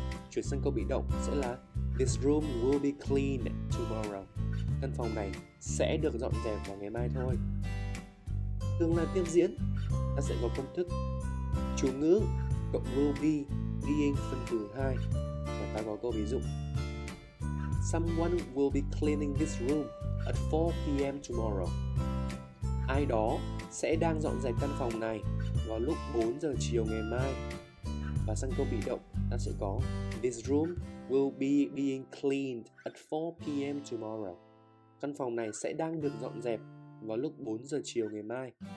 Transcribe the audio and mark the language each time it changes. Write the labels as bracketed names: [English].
[Vietnamese] Chuyển sang câu bị động sẽ là [English] this room will be cleaned tomorrow. [Vietnamese] Căn phòng này sẽ được dọn dẹp vào ngày mai thôi. Tương lai tiếp diễn, ta sẽ có công thức chủ ngữ cộng will be being phân từ 2. Và ta có câu ví dụ. [English] Someone will be cleaning this room at 4 p.m. tomorrow. [Vietnamese] Ai đó sẽ đang dọn dẹp căn phòng này vào lúc 4 giờ chiều ngày mai. Và sang câu bị động, ta sẽ có [English] this room will be being cleaned at 4 p.m. tomorrow. [Vietnamese] Căn phòng này sẽ đang được dọn dẹp vào lúc 4 giờ chiều ngày mai.